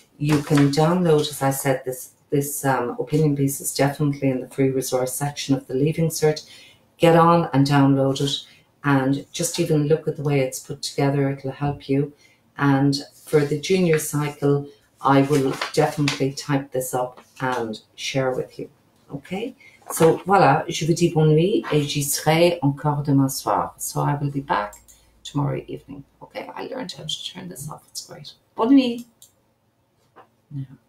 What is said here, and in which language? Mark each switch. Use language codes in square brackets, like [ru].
[en] you can download, as I said, this opinion piece is definitely in the free resource section of the Leaving Cert. Get on and download it, and just even look at the way it's put together, it'll help you. And for the junior cycle, I will definitely type this up and share with you. [fr] Okay, so voilà, je vous dis bonne nuit et j'y serai encore demain soir. [en] So I will be back tomorrow evening. Okay, I learned how to turn this off, it's great. [fr] Bonne nuit! [en] Yeah.